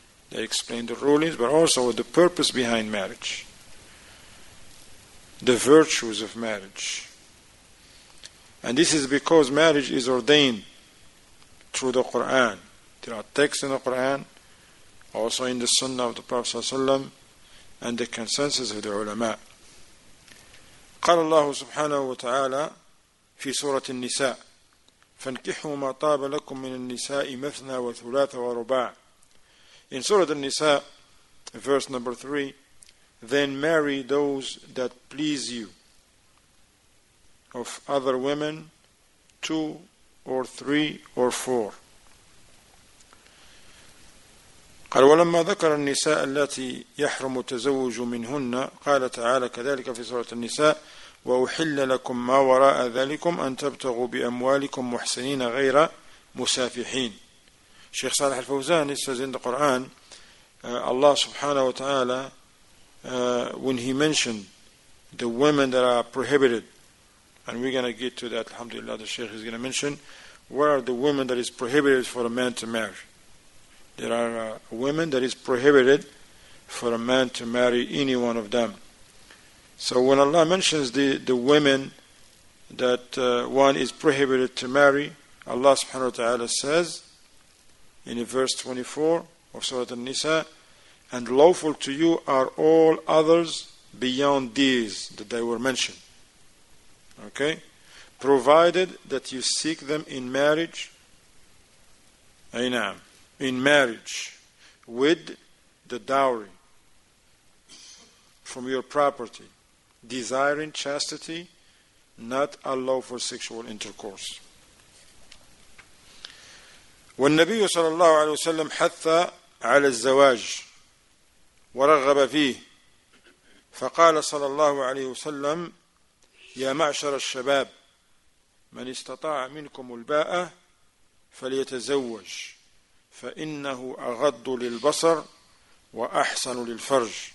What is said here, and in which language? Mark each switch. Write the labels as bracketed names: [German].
[English] They explain the rulings, but also the purpose behind marriage, the virtues of marriage. And this is because marriage is ordained through the Quran. There are texts in the Quran, also in the Sunnah of the Prophet ﷺ, and the consensus of the ulama. [Arabic] قال الله سبحانه وتعالى في سورة النساء فانكحوا ما طاب لكم من النساء مثنى وثلاث ورباع. [English] In Surah An-Nisa, verse number 3, then marry those that please you of other women, 2 or 3 or 4. [Arabic] قال ولما ذكر النساء التي يحرم التزوج منهن قال تعالى كذلك في سورة النساء وأحل لكم ما وراء ذلكم أن تبتغوا بأموالكم محسنين غير مسافحين. [English] Sheikh Salih al-Fawzan says in the Quran, Allah subhanahu wa ta'ala, when he mentioned the women that are prohibited, and we're going to get to that, alhamdulillah, the Sheikh is going to mention, what are the women that is prohibited for a man to marry? There are women that is prohibited for a man to marry any one of them. So when Allah mentions the women that one is prohibited to marry, Allah subhanahu wa ta'ala says, in verse 24 of Surah An-Nisa, and lawful to you are all others beyond these that they were mentioned. Okay? Provided that you seek them in marriage, aynam, in marriage with the dowry from your property, desiring chastity, not allow for sexual intercourse. [Arabic] والنبي صلى الله عليه وسلم حث على الزواج ورغب فيه فقال صلى الله عليه وسلم يا معشر الشباب من استطاع منكم الباءة فليتزوج فإنه أغض للبصر وأحسن للفرج.